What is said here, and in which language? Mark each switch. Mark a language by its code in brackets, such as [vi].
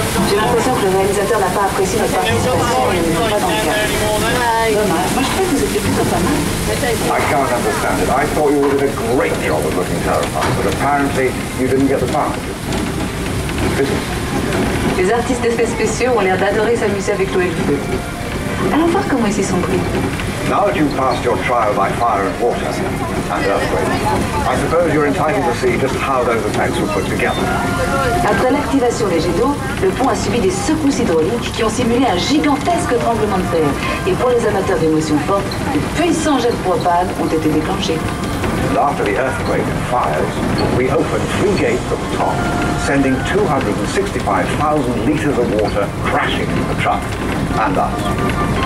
[fr] J'ai l'impression que le réalisateur n'a pas apprécié notre participation. Moi, je crois que vous étiez plutôt pas mal. [en] I can't understand it. I thought you did a great job of looking terrified, but apparently you didn't get the part. [fr] Les artistes d'effets spéciaux ont l'air d'adorer s'amuser avec l'eau et le feu. Allons voir comment ils s'y sont pris. [en] Now that you've passed your trial by fire and water and earthquake, I suppose you're entitled to see just how those effects were put together. [fr] Après l'activation des jets d'eau, le pont a subi des secousses hydrauliques qui ont simulé un gigantesque tremblement de terre. Et pour les amateurs d'émotions fortes, de puissants jets de propane ont été déclenchés. [en] And after the earthquake and fires, we opened three gates at the top, sending 265,000 liters of water crashing into the truck and us.